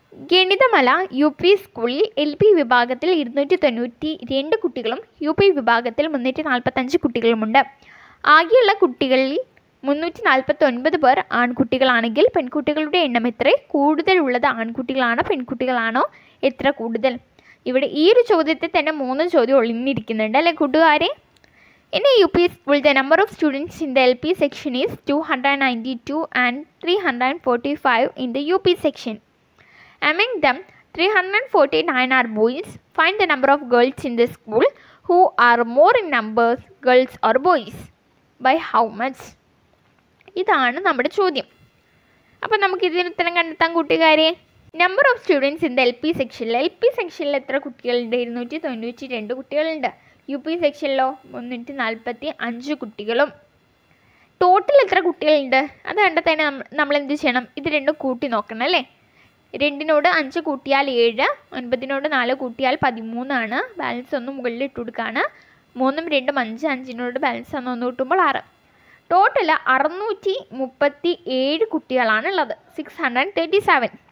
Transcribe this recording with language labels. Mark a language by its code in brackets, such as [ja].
[ml] ഗണിതമല U P സ്കൂളിൽ L P വിഭാഗത്തിൽ 292 കുട്ടികളും യു പി വിഭാഗത്തിൽ 345 കുട്ടികളുമുണ്ട് ആകെയുള്ള കുട്ടികളിൽ 349 പേർ ആൺകുട്ടികളാണെങ്കിൽ പെൺകുട്ടികളുടെ എണ്ണം എത്ര കൂടുതലുള്ളത് ആൺകുട്ടികളാണോ പെൺകുട്ടികളാണോ എത്ര കൂടുതൽ ഇവിടെ ഈ ഒരു ചോദ്യത്തിൽ തന്നെ 3 ചോദ്യം ഒളിഞ്ഞിരിക്കുന്നുണ്ട് അല്ലേ കൂട്ടുകാരെ [en] ഇനി U P school the number of students in the L P section is 292 and 345 in the U P section Among them, 349 are boys. Find the number of girls in the school who are more in numbers, girls or boys. By how much? [ml] ഇതാണ് നമ്മുടെ ചോദ്യം. അപ്പോൾ നമുക്ക് ഇതിന് ഉത്തരം കണ്ടെത്താൻ കൂട്ടുകാരെ. [en] Number of students in the LP section. [ml] LP section ൽ എത്ര കുട്ടികളുണ്ട്? 292 കുട്ടികളുണ്ട്. UP section ലോ 345 കുട്ടികളും. ടോട്ടൽ എത്ര കുട്ടികളുണ്ട്? അത് കണ്ടെത്താൻ നമ്മൾ എന്ത് ചെയ്യണം? ഇത് രണ്ടും കൂട്ടി നോക്കണം അല്ലേ? 2 5 കൂട്ടിയാൽ 7 9 4 കൂട്ടിയാൽ 13 ബാലൻസ് ഒന്ന് മുകളിലിട്ട് കൊടുക്കുകയാണ് 3 2 5 5 ബാലൻസ് ഒന്ന് ഒന്ന് കിട്ടുമ്പോൾ 6 ടോട്ടൽ 637 കുട്ടികളാണ് ഉള്ളത് 637